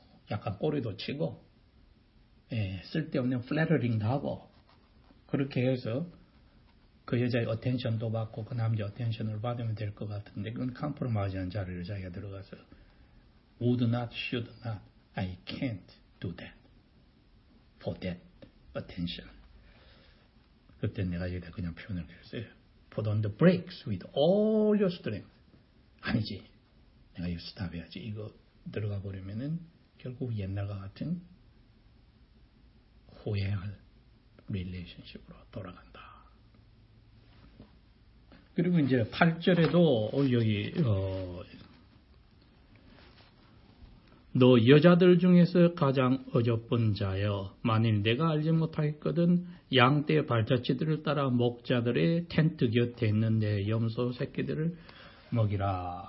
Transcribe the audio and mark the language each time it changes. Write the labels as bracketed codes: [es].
[ko] 약간 꼬리도 치고 예, 쓸데없는 플래터링도 하고 그렇게 해서 그 여자의 어텐션도 받고 그 남자의 어텐션을 받으면 될 것 같은데 그건 컴프로마이즈한 자리를 자기가 들어가서 [en] would not, should not, I can't do that for that attention. [ko] 그때 내가 여기다 그냥 표현을 했어요. [en] Put on the brakes with all your strength. [ko] 아니지. 내가 이거 스탑해야지. 이거 들어가 버리면은 결국 옛날과 같은 후회할 릴레이션십으로 돌아간다. 그리고 이제 8절에도 여기 너 여자들 중에서 가장 어젯은 자여 만일 내가 알지 못하겠거든 양떼의 발자취들을 따라 목자들의 텐트 곁에 있는 내 염소 새끼들을 먹이라.